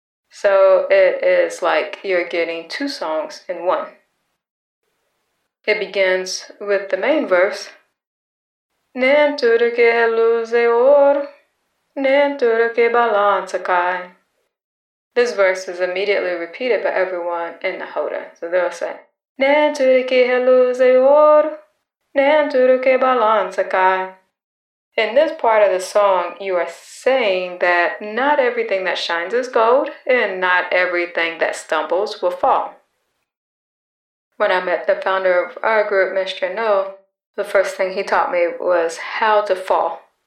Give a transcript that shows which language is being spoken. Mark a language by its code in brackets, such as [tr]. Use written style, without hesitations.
[en] So it is like you're getting two songs in one. It begins with the main verse. [pt] Nem tudo que reluze ouro, nem tudo que balança cai. This verse is immediately repeated by everyone in the Hoda. [en] So they'll say, [pt] nem tudo que reluze ouro, nem tudo que balança cai. [en] In this part of the song, you are saying that not everything that shines is gold and not everything that stumbles will fall. When I met the founder of our group, Mr. No, the first thing he taught me was how to fall.